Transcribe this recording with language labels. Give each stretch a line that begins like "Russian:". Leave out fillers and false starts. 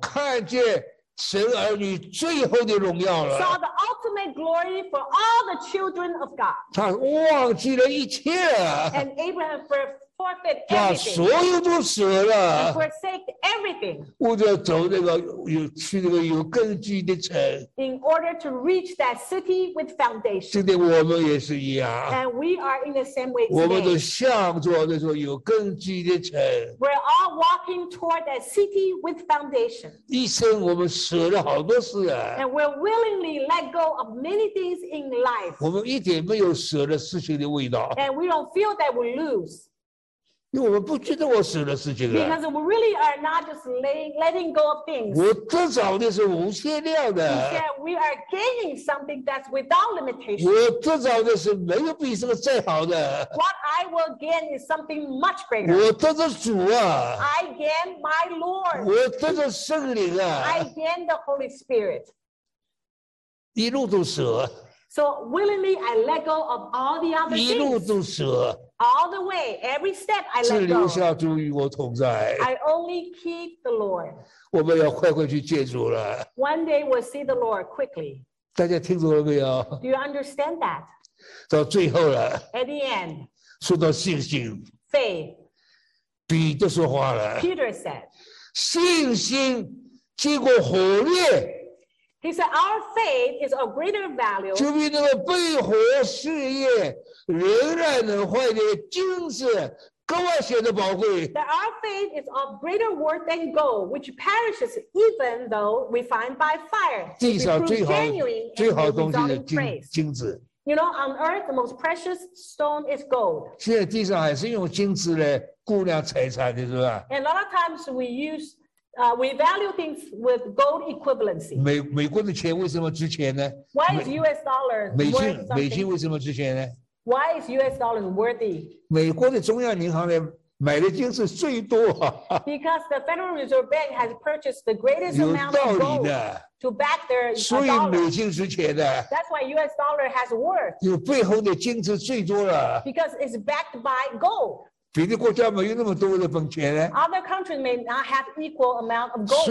Chinese: 看见神儿女最后的荣耀了。
English: Saw the ultimate glory for all the children of God.
Chinese: 他忘记了一切了。
English: And Abraham forever.
Chinese: 把所有都舍了
English: forsake everything，
Chinese: 我就要走那个有去那个有根基的城
English: in order to reach that city with foundation。
Chinese: 今天我们也是一样
English: and we are in the same way。
Chinese: 我们都向着那座有根基的城
English: we're all walking toward that city with foundation。
Chinese: 一生我们舍了好多事啊
English: and we're willingly let go of many things in life。
Chinese: 我们一点没有舍了事情的味道
English: and we don't feel that we lose。
Chinese: 因为我们不觉得我舍了事情了。
English: Because we really are not just letting go of things。
Chinese: 我得着的是无限量的。
English: We are gaining something that's without limitation。
Chinese: 我得着的是没有比这个再好的。
English: What I will gain is something much greater。
Chinese: 我得着主啊。
English: I gain my Lord。
Chinese: 我得着圣灵啊。
English: I gain the Holy Spirit。
Chinese: 一路都舍。
English: So willingly I let go of all the other things。
Chinese: 一路都舍。
English: All the way, every step I let go.
Chinese: 只留下主与我同在。
English: I only keep the Lord.
Chinese: 我们要快快去见主了。
English: One day we'll see the Lord quickly.
Chinese: 大家听懂了没有？
English: Do you understand that?
Chinese: 到最后了。
English: At the end.
Chinese: 说到信心。
English: Faith.
Chinese: 彼得说话了。
English: Peter said.
Chinese: 信心经过火炼。
English: He said, our faith is of greater value.
Chinese: 就比那个被火试验。仍然能坏的金子更为显得宝贵。
English: That our faith is of greater worth than gold, which perishes even though refined by fire.
Chinese: 地上最好东西是金子。
English: You know, on earth the most precious stone is gold.
Chinese: 现在地上还是用金子来估量财产的，是吧？
English: And a lot of times we use。 We value things with gold equivalency.
Chinese: 美国的钱为什么值钱呢？
English: Why is US dollar worth something?
Chinese: 美金为什么值钱呢？
English: Why is US dollar worthy?
Chinese: 美国的中央银行呢，买的金子最多。
English: Because the Federal Reserve Bank has purchased the greatest amount of gold to back their dollar.
Chinese: 所以美金值钱的。
English: That's why US dollar has worth.
Chinese: 有背后的金子最多了。
English: Because it's backed by gold.
Chinese: 别的国家没有那么多的本钱呢。
English: Other countries may not have equal amount of gold.